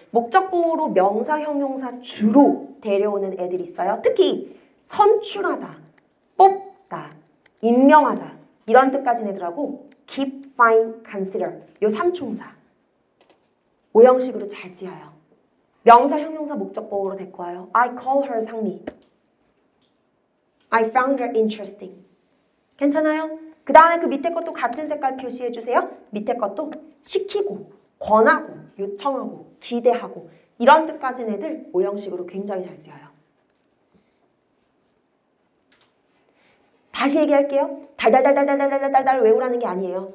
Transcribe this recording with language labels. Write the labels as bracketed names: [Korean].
[Korean] 목적보호로 명사, 형용사 주로 데려오는 애들 있어요. 특히 선출하다, 뽑다, 임명하다. 이런 뜻까지 내더라고 keep, find, consider 요 3총사 5형식으로 잘 쓰여요. 명사, 형용사, 목적보호로 데리고 와요. [English] I call her 상미. I found her interesting. [Korean] 괜찮아요? 그 다음에 그 밑에 것도 같은 색깔 표시해주세요. 밑에 것도 시키고, 권하고, 요청하고, 기대하고 이런 뜻까지 내들 5형식으로 굉장히 잘 쓰여요. 다시 얘기할게요. 달달달달달달달달달 외우라는 게 아니에요.